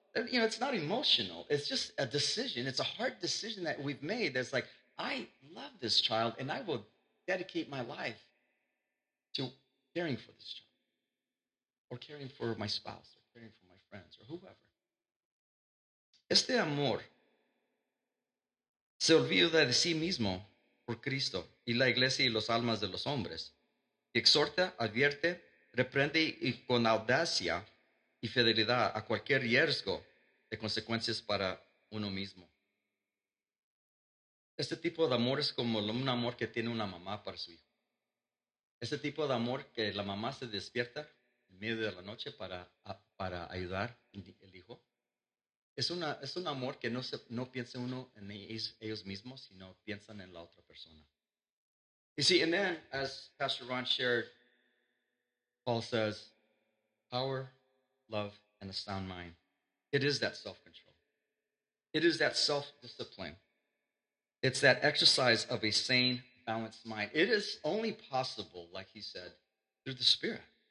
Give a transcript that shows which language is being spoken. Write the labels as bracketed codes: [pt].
[en] You know, it's not emotional. It's just a decision. It's a hard decision that we've made that's like, I love this child, and I will dedicate my life to caring for this child or caring for my spouse or caring for my friends or whoever. [es] Este amor se olvida de sí mismo por Cristo y la iglesia y los almas de los hombres. Exhorta, advierte, reprende y con audacia y fidelidad a cualquier riesgo de consecuencias para uno mismo. Este tipo de amor es como un amor que tiene una mamá para su hijo. Este tipo de amor que la mamá se despierta en medio de la noche para ayudar al hijo. Es un amor que no piensa uno en ellos mismos, sino piensan en la otra persona. [en] You see, and then, as Pastor Ron shared, Paul says, power, love, and a sound mind. It is that self-control. It is that self-discipline. It's that exercise of a sane, balanced mind. It is only possible, like he said, through the Spirit.